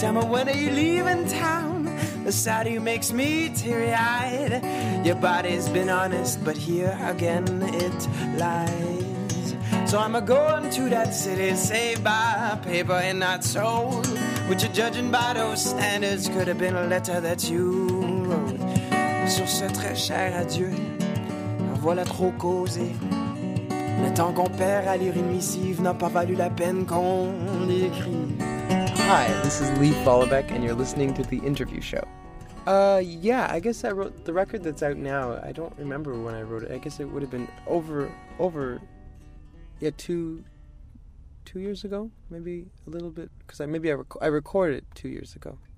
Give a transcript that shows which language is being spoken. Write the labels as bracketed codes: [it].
[en] Tell me, when are you leaving town? The sight of you makes me teary-eyed. Your body's been honest, but here again it lies. So I'ma go into that city, saved by paper and not soul, which you're judging by those standards, could have been a letter that you wrote. [fr] Sur ce très cher adieu, voilà trop causé. Le temps qu'on perd à lire une missive n'a pas valu la peine qu'on écrit. [en] Hi, this is Leif Vollebekk, and you're listening to The Interview Show. Yeah, I guess I wrote the record that's out now. I don't remember when I wrote it. I guess it would have been over... Yeah, two years ago, maybe a little bit, because I recorded it 2 years ago.